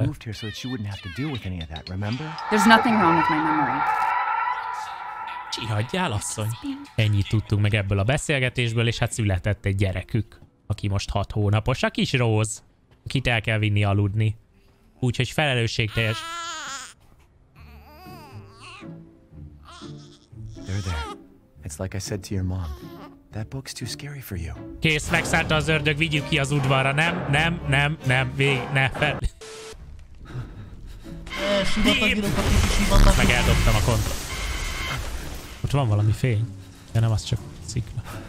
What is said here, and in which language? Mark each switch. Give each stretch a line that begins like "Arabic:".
English: We moved here so that she wouldn't have to deal with any of that, remember? There's nothing wrong with my memory.
Hungarian: Csihagyjál, asszony. Ennyit tudtunk meg ebből a beszélgetésből, és hát született egy gyerekük, aki most 6 hónapos, a kis Rose, akit el kell vinni aludni. Úgyhogy felelősségteljes.
English: They're there. It's like I said to your mom. That book's too scary for you.
Hungarian: Kész, megszállta az ördög, vigyük ki az udvarra. Nem, végig, ne, fel. Meg eldobtam a kontrol. Ott van valami fény, de nem az, csak szikla.